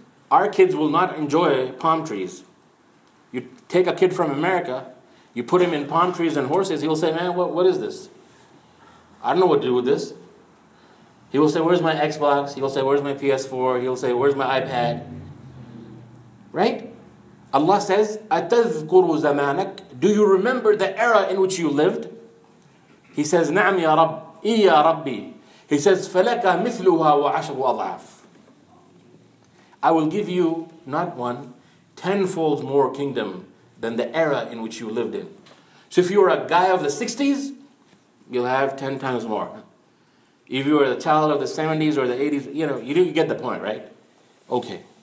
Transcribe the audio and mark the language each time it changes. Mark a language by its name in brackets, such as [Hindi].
[English] Our kids will not enjoy palm trees. You take a kid from America, you put him in palm trees and horses, he'll say, man, what is this? I don't know what to do with this. He will say, where's my Xbox? He'll say, where's my PS4? He'll say, where's my iPad? Right? Allah says, [Arabic] أَتَذْكُرُ زَمَانَكَ. [English] Do you remember the era in which you lived? He says, [Arabic] نَعْمْ يَا رَبِّ إِيَّا رَبِّي. He says, فَلَكَ مِثْلُهَا وَعَشْرُ أَضْعَافٍ. [English] I will give you, not one, tenfold more kingdom than the era in which you lived in. So if you were a guy of the 60s, you'll have 10 times more. If you were a child of the 70s or the 80s, you know, you get the point, right? Okay.